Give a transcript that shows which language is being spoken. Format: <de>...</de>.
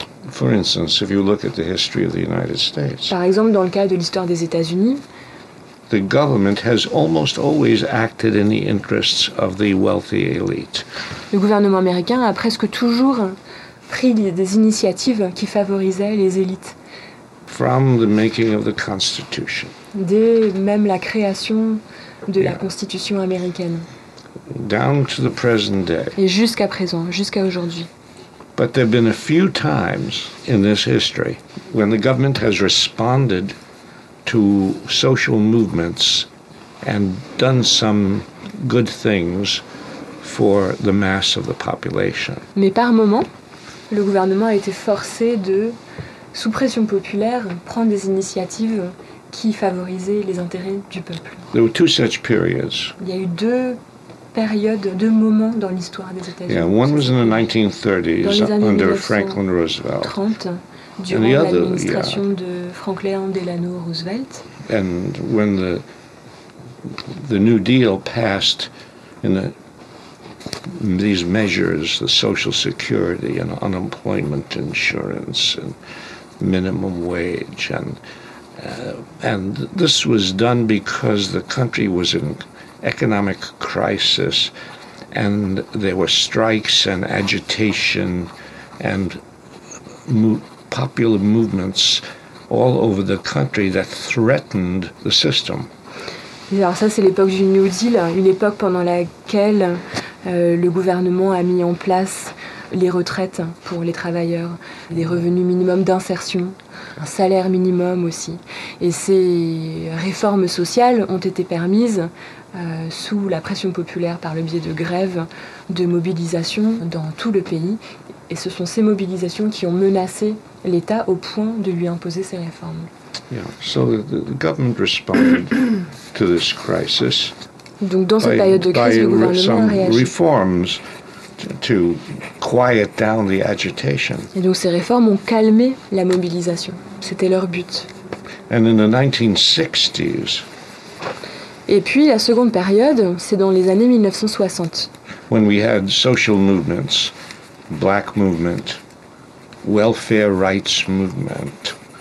<en>For instance, if you look at the history of the United States.</en> <fr>Par exemple, dans le cas de l'histoire des États-Unis,</fr> <en>the government has almost always acted in the interests of the wealthy elite.</en> <fr>Le gouvernement américain a presque toujours pris des initiatives qui favorisaient les élites.</fr> <en>From the making of the Constitution.</en> <fr>Dès même la création de la Constitution américaine.</fr> <en>Down to the present day.</en> <fr>Et jusqu'à présent, jusqu'à aujourd'hui.</fr> <en>But there have been a few times in this history when the government has responded to social movements and done some good things for the mass of the population.</en> <fr>Mais par moment, le gouvernement a été forcé de, sous pression populaire, prendre des initiatives qui favorisaient les intérêts du peuple.</fr> <en>There were two such periods.</en> <fr>Il y a eu deux périodes, deux moments dans l'histoire des États-Unis.</fr> <en>Yeah, one was in the 1930s under Franklin Roosevelt.</en> <fr>30, durant l'administration de Franklin Delano Roosevelt.</fr> <en>And when the New Deal passed in the these measures, the Social Security and unemployment insurance and minimum wage, and this was done because the country was in economic crisis, and there were strikes and agitation and popular movements all over the country that threatened the system.</en> <fr>Alors ça, c'est l'époque du New Deal, une époque pendant laquelle le gouvernement a mis en place les retraites pour les travailleurs, des revenus minimums d'insertion, un salaire minimum aussi. Et ces réformes sociales ont été permises sous la pression populaire par le biais de grèves, de mobilisations dans tout le pays. Et ce sont ces mobilisations qui ont menacé l'État au point de lui imposer ces réformes.</fr> <en>Yeah. So the government responded to this crisis.</en> <fr>Donc dans cette période de crise, le gouvernement a réformed</fr> <en>to quiet down the agitation.</en> <fr>Et donc ces réformes ont calmé la mobilisation. C'était leur but.</fr> <en>And in the 1960s.</en> <fr>Et puis la seconde période, c'est dans les années 1960.</fr> <en>When we had social movements, black movement, welfare rights movement.</en>